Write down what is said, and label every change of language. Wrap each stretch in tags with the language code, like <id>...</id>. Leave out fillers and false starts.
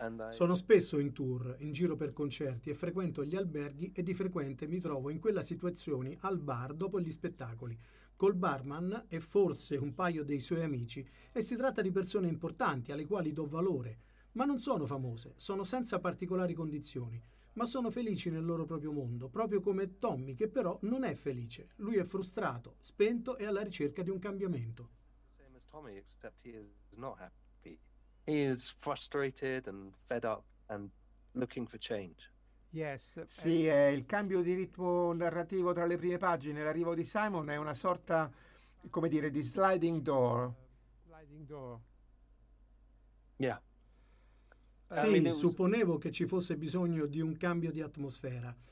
<it>Sono spesso in tour, in giro per concerti e frequento gli alberghi e di frequente mi trovo in quella situazione al bar dopo gli spettacoli, col barman e forse un paio dei suoi amici, e si tratta di persone importanti alle quali do valore, ma non sono famose, sono senza particolari condizioni, ma sono felici nel loro proprio mondo, proprio come Tommy, che però non è felice. Lui è frustrato, spento e alla ricerca di un cambiamento.</it> <en>Same as Tommy, except he is not happy. He is frustrated and fed up and looking for change. Yes.</en> <it>Sì, è il cambio di ritmo narrativo tra le prime pagine. L'arrivo di Simon è una sorta, come dire, di sliding door.</it> <en>Yeah.</en> <it>Sì, supponevo che ci fosse bisogno di un cambio di atmosfera.</it>